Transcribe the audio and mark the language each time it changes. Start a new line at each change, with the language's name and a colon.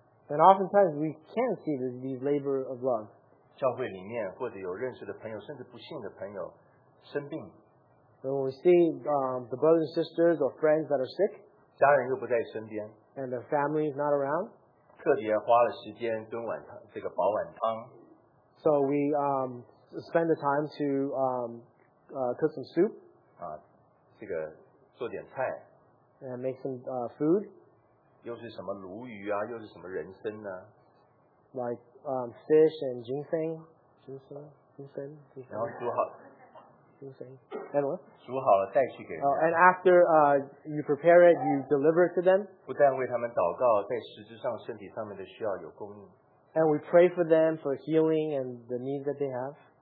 English: And oftentimes we can see these labor of love.
Chinese: 教会里面或者有认识的朋友，甚至不信的朋友生病。
English: When we see the brothers and sisters or friends that are sick,
Chinese: 家人又不在身边,
English: and their family is not around,
Chinese: 特别花了时间炖碗汤，这个煲碗汤。
English: So we spend the time to cook some soup,
Chinese: 这个做点菜。
English: And make some food.
Chinese: 又是什么鲈鱼啊，又是什么人参呢？
English: Like fish and ginseng.
Chinese: 然后煮好。ginseng.
English: And what?
Chinese: 煮好了带去给人。
English: And after you prepare it, you deliver it to them.
Chinese: 不但为他们祷告，在实质上身体上面的需要有供应。
English: And we pray for them for healing and the needs that they have.